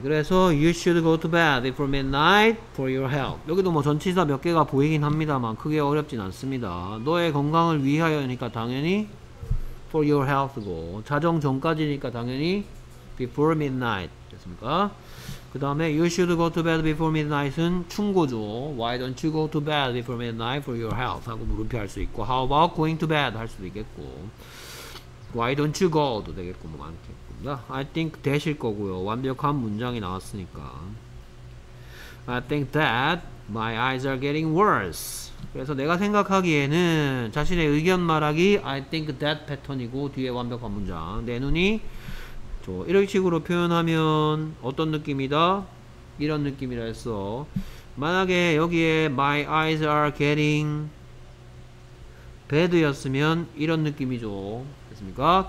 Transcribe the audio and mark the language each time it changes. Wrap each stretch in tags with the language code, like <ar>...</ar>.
<ko>그래서</ko> <en>you should go to bed before midnight for your health.</en> <ko>여기도 뭐 전치사 몇 개가 보이긴 합니다만 크게 어렵진 않습니다. 너의 건강을 위하여니까 당연히</ko> <en>for your health</en> <ko>고, 자정 전까지니까 당연히</ko> <en>before midnight</en> <ko>됐습니까? 그 다음에</ko> <en>you should go to bed before midnight</en> <ko>은 충고죠.</ko> <en>Why don't you go to bed before midnight for your health?</en> <ko>하고 물음표 할 수 있고,</ko> <en>how about going to bed?</en> <ko>할 수도 있겠고,</ko> <en>why don't you go?</en> <ko>도 되겠고, 뭐 많겠습니다. I think 되실 거고요. 완벽한 문장이 나왔으니까.</ko> <en>I think that my eyes are getting worse.</en> <ko>그래서 내가 생각하기에는 자신의 의견 말하기 I think that 패턴이고, 뒤에 완벽한 문장 내 눈이 저 이런 식으로 표현하면 어떤 느낌이다? 이런 느낌이라 했어. 만약에 여기에</ko> <en>my eyes are getting bad</en> <ko>였으면 이런 느낌이죠. 됐습니까?</ko>